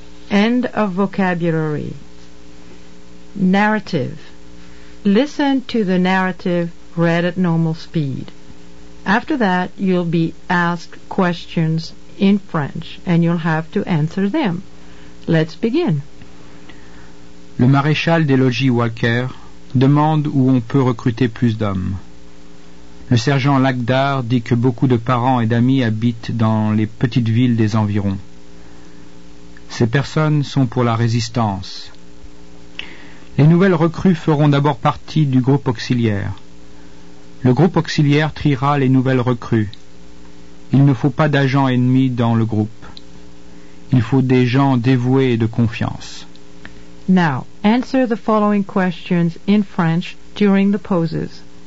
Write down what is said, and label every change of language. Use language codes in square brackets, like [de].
[en] End of vocabulary. Narrative. Listen to the narrative read at normal speed. After that, you'll be asked questions in French and you'll have to answer them. Let's begin. [fr] Le maréchal des logis Walker demande où on peut recruter plus d'hommes. Le sergent Lagdar dit que beaucoup de parents et d'amis habitent dans les petites villes des environs. Ces personnes sont pour la résistance. Les nouvelles recrues feront d'abord partie du groupe auxiliaire. Le groupe auxiliaire triera les nouvelles recrues. Il ne faut pas d'agents ennemis dans le groupe. Il faut des gens dévoués et de confiance. [en] Now, answer the following questions in French during the pauses.